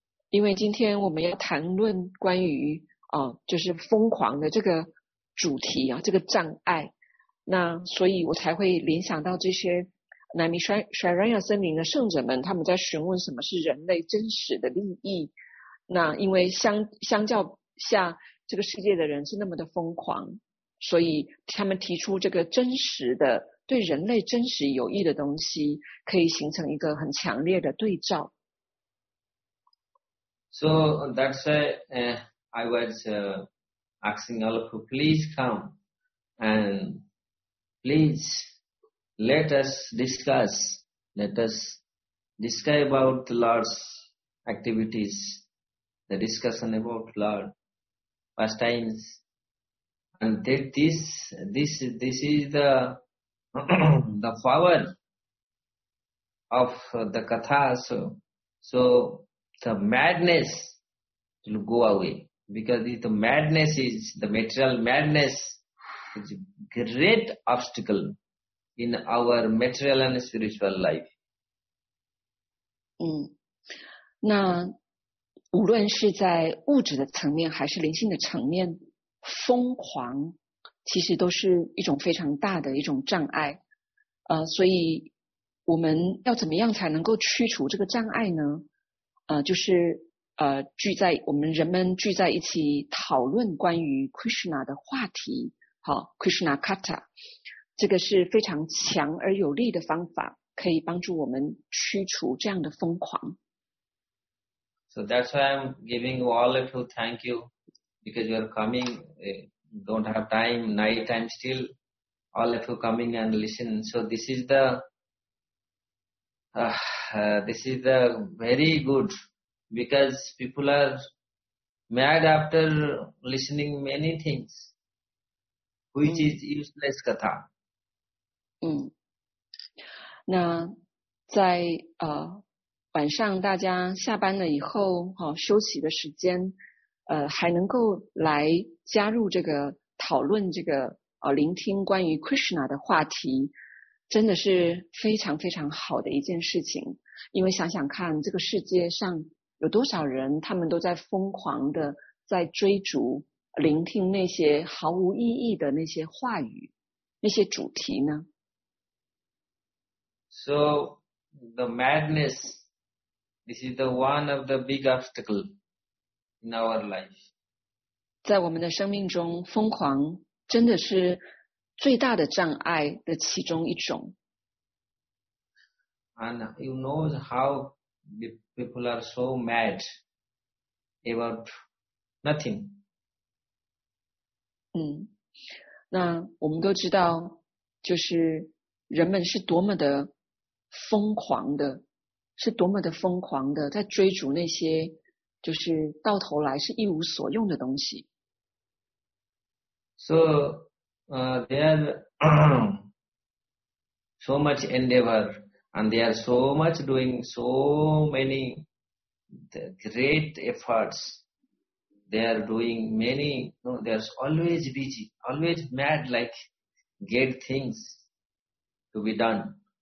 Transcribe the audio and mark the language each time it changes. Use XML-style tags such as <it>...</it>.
<zh>因为今天我们要谈论关于就是疯狂的这个主题啊，这个障碍，那所以我才会联想到这些南米沙沙亚森林的圣者们，他们在询问什么是人类真实的利益。那因为相较下，这个世界的人是那么的疯狂。所以他们提出这个真实的对人类真实有益的东西，可以形成一个很强烈的对照。</zh> <en>So that's why I was asking all of you, please come and please let us discuss. Let us discuss about the Lord's activities. The discussion about Lord pastimes. And this is the, the power of the Katha. So the madness will go away. Because the madness is, the material madness is a great obstacle in our material and spiritual life.</en> <zh>那无论是在物质的层面还是灵性的层面，疯狂其实都是一种非常大的一种障碍，所以我们要怎么样才能够驱除这个障碍呢？就是人们聚在一起讨论关于 Krishna 的话题，好 ，Krishna Katha， 这个是非常强而有力的方法，可以帮助我们驱除这样的疯狂。</zh> <en>So that's why I'm giving you all of you thank you. Because you are coming, don't have time, night time still, all of you coming and listen. So this is the very good, because people are mad after listening many things, which is useless katha.</en> <zh>那在晚上大家下班了以后，休息的时间还能够来加入这个讨论这个聆听关于 Krishna 的话题，真的是非常非常好的一件事情。因为想想看，这个世界上有多少人，他们都在疯狂的在追逐聆听那些毫无意义的那些话语，那些主题呢？</zh> <en>So the madness, this is the one of the big obstacle in our life.</en> <zh>在我们的生命中，疯狂真的是最大的障碍的其中一种。</zh> <en>And you know how people are so mad about nothing.</en> <zh>那我们都知道，就是人们是多么的疯狂的，是多么的疯狂的，在追逐那些就是到头来是一无所用的东西。</zh> <en>So, they are so much endeavor, and they are so much doing so many great efforts. They are doing many, no, they are always busy, always mad, like get things to be done.</en>